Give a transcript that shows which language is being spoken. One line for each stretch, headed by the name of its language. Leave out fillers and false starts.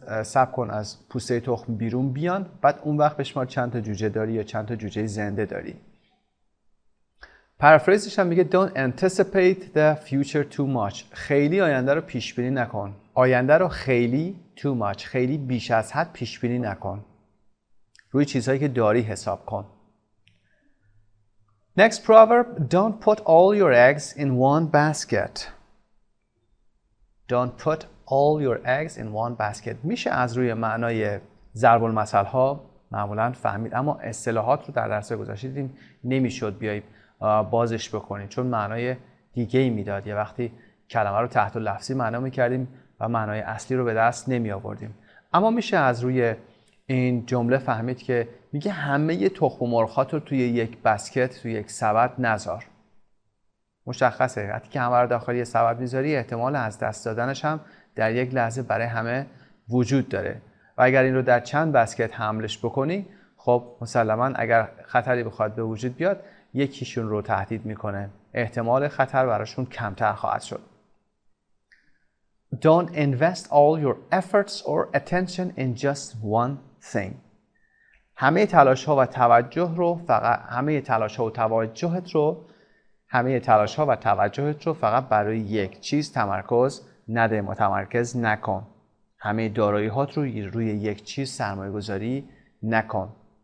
Persian: سب کن از پوسته تخم بیرون بیان، بعد اون وقت بشمار چند تا جوجه داری یا چند تا جوجه زنده داری. پرافریزش هم میگه
English: Don't anticipate the future too much.
Persian: خیلی آینده رو پیش بینی نکن. آینده رو خیلی too much، خیلی بیش از حد پیش بینی نکن. روی چیزهایی که داری حساب کن.
English: Next proverb: Don't put all your eggs in one basket. Don't put all your eggs in one basket.
Persian: میشه از روی معنای ضرب المثل ها معمولاً فهمید، اما اصطلاحات رو در درس گذشته دیدیم نمیشد بیای بازش بکنیم چون معنای دیگه ای میداد. یه وقتی کلمه رو تحت لفظی معنا میکردیم و معنای اصلی رو به دست نمی آوردیم. اما میشه از روی این جمله فهمید که میگه همه ی تخم مرغ‌هات رو توی یک بسکت، توی یک سبد نذار. مشخصه وقتی که همه رو داخل یه سبد می‌ذاری احتمال از دست دادنش هم در یک لحظه برای همه وجود داره، و اگر این رو در چند بسکت حملش بکنی، خب مسلماً اگر خطری بخواد به وجود بیاد یکیشون رو تهدید می‌کنه، احتمال خطر براشون کمتر خواهد شد.
English: Don't invest all your efforts or attention in just one thing.
Persian: همه تلاش‌ها و توجه رو فقط همه تلاش‌ها و توجهت رو فقط برای یک چیز تمرکز نده، متمرکز نکن. همه دارایی‌هات رو روی یک چیز سرمایه‌گذاری نکن.